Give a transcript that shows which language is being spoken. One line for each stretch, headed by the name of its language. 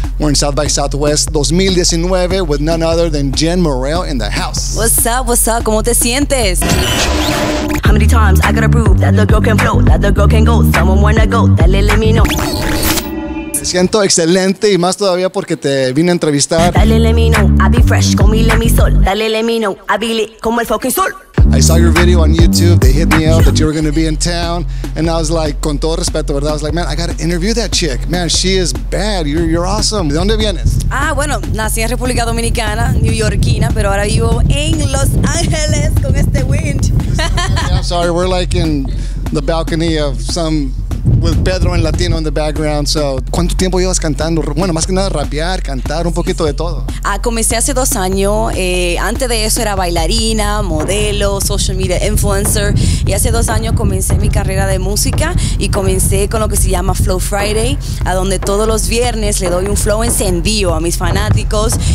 English: We're in South by Southwest 2019 with none other than Jenn Morel in the house. What's up? What's up?
Spanish: ¿Cómo te sientes?
English: How many times I gotta prove that the girl can flow, that the girl can go? Someone wanna go,
Spanish: dale,
English: let me know.
Spanish: Siento excelente y más todavía porque te vine a entrevistar. Dale,
English: let me know. I be fresh, call me, let me sol. Dale, let me know. I be lit
Spanish: como el
English: fucking
Spanish: sol.
English: I saw your video on YouTube. They hit me up that you were going to be in town. And I was like,
Spanish: con todo respeto, ¿verdad?
English: I was like, man, I got to interview that chick. Man, she is bad. You're awesome.
Spanish: ¿De dónde vienes? Ah, bueno, nací en República Dominicana, New Yorkina, pero ahora vivo en Los Ángeles con este
English: wind. I'm sorry, we're like in the balcony of some... with Pedro and Latino in the background. So,
Spanish: ¿cuánto tiempo llevas cantando? Bueno, más que nada rapear, cantar, un poquito de todo. Comencé hace 2 años. Antes de eso era bailarina, modelo, social media influencer. Y hace 2 años comencé mi carrera de música y comencé con lo que se llama Flow Friday, a donde todos los viernes le doy un flow encendido a mis fanáticos.